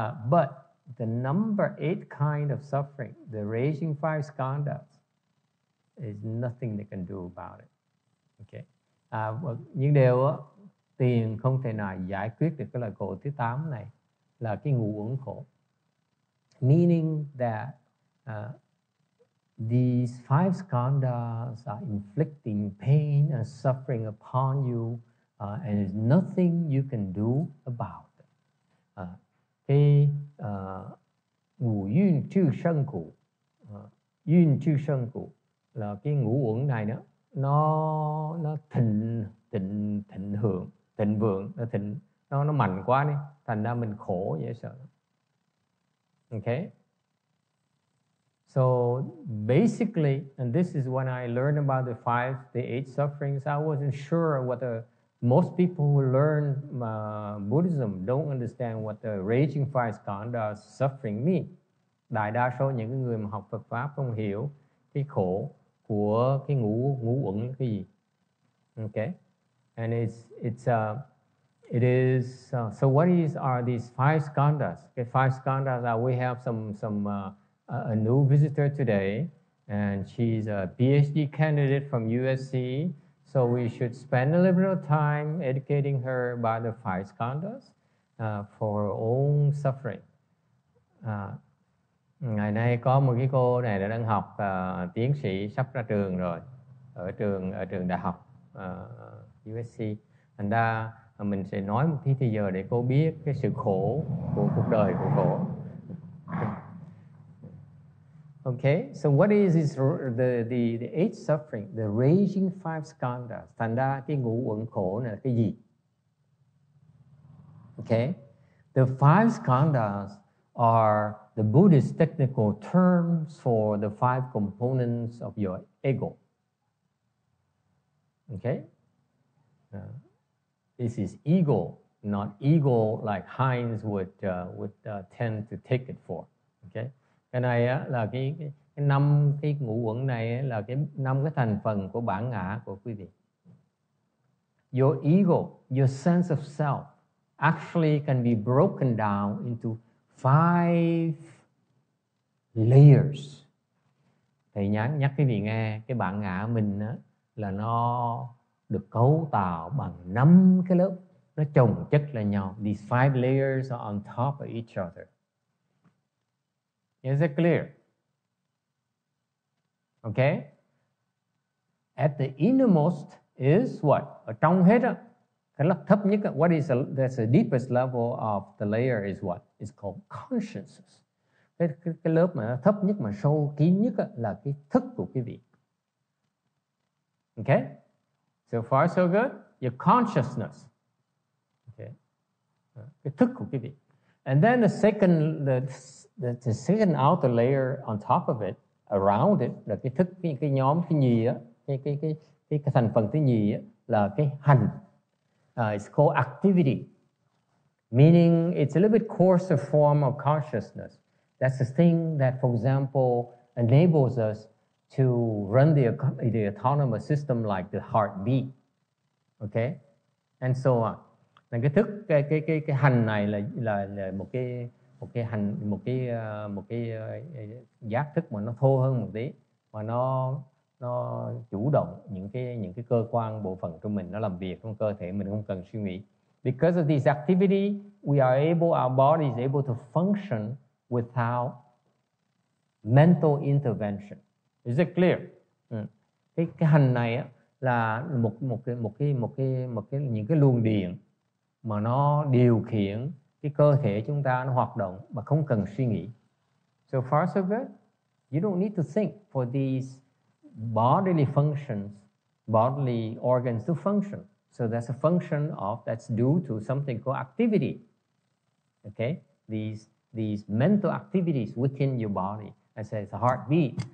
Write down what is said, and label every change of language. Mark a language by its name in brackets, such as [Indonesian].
[English] But the number 8 kind of suffering, the raging 5 skandhas, is nothing they can do about it. Okay? [Vietnamese] Những điều đó, tiền không thể nào giải quyết được cái loại khổ thứ 8 này là cái ngũ uẩn khổ. [English] Meaning that these 5 skandhas are inflicting pain and suffering upon you and there's nothing you can do about it. [Vietnamese] Cái ngũ yun chư sân khổ, yun chư sân khổ là cái ngũ uẩn này đó, nó thịnh hưởng. Thịnh vượng nó mạnh quá đi thành ra mình khổ dễ sợ. [English] Okay, so basically, and this is when I learned about the 5, the 8 sufferings. I wasn't sure whether most people who learn Buddhism don't understand what the raging 5 skandhas suffering mean. [Vietnamese] Đại đa số những người mà học Phật pháp không hiểu cái khổ của cái ngũ uẩn là cái gì. [English] Okay. And so what are these 5 skandhas? Okay, 5 skandhas are, we have a new visitor today, and she's a PhD candidate from USC, so we should spend a little bit of time educating her by the 5 skandhas for her own suffering. [Vietnamese] Ngày nay có một cái cô này đã đang học tiến sĩ sắp ra trường rồi, ở trường đại học. USC. Thành ra mình sẽ nói một tí giờ để cô biết cái sự khổ của cuộc đời của cô. [English] Okay, so what is this, the 8 suffering, the raging 5 skandhas? [Vietnamese] Thành ra cái ngũ uẩn khổ này là cái gì? [English] Okay, the 5 skandhas are the Buddhist technical terms for the 5 components of your ego. Okay. This is ego, not ego like Heinz would tend to take it for. [Vietnamese] Okay, cái này á, là cái năm cái ngũ uẩn này á, là cái năm cái thành phần của bản ngã của quý vị. [English] Your ego, your sense of self, actually can be broken down into 5 layers. [Vietnamese] Thầy nhắc quý vị nghe, cái bản ngã mình á, là nó được cấu tạo bằng năm cái lớp, nó chồng chất lên nhau. [English] These five layers are on top of each other. Is it clear? Okay. At the innermost is what? [Vietnamese] Ở trong hết á, cái lớp thấp nhất á, [English] what is that's the deepest level of the layer is what? It's called consciousness. [Vietnamese] Cái lớp mà thấp nhất mà sâu kín nhất á, là cái thức của quý vị. [English] Okay? So far so good. Your consciousness. Okay. [Vietnamese] Cái thức của quý vị. [English] And then the second outer layer on top of it, around it, [Vietnamese] là cái thức, cái nhóm cái nhì á, cái thành phần thứ nhì á, là cái hành. [English] It's called activity. Meaning it's a little bit coarser form of consciousness. That's the thing that, for example, enables us to run the autonomous system like the heartbeat. Okay? And so on. [Vietnamese] Là cái thức, cái hành này là một cái giác thức mà nó thô hơn một tí, mà nó chủ động những cái cơ quan bộ phận của mình, nó làm việc trong cơ thể mình không cần suy nghĩ. [English] Because of this activity, our body is able to function without mental intervention. Is it clear? [Vietnamese] Cái hành này á, là một cái những cái luồng điện mà nó điều khiển cái cơ thể chúng ta, nó hoạt động mà không cần suy nghĩ. [English] So far so good. You don't need to think for these bodily functions, bodily organs to function. So that's a function of, that's due to something called activity. Okay? These mental activities within your body. I say it's a heartbeat.